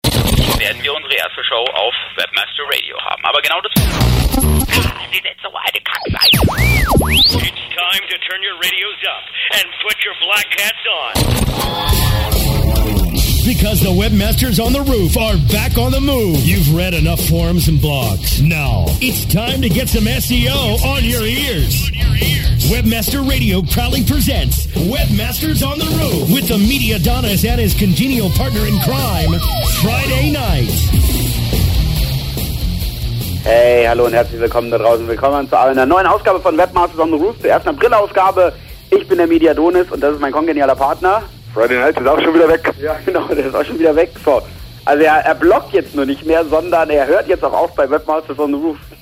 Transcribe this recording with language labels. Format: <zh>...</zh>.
<de>werden wir unsere erste Show auf Webmaster Radio haben. Aber genau das.</de> <en>It's time to turn your radios up and put your black hats on. Because the webmasters on the roof are back on the move. You've read enough forums and blogs. Now, it's time to get some SEO on your ears. Webmaster Radio proudly presents Webmasters on the Roof with the media Donis and his congenial partner in crime, Friday Night.</en> <de>Hey, hallo und herzlich willkommen da draußen. Willkommen zu einer neuen Ausgabe von Webmasters on the Roof, der ersten April-Ausgabe. Ich bin der Media Donis und das ist mein kongenialer Partner. Friday Night ist auch schon wieder weg. Ja, genau, der ist auch schon wieder weg. So. Also er blockt jetzt nur nicht mehr, sondern er hört jetzt auch auf bei Webmasters on the Roof.</de>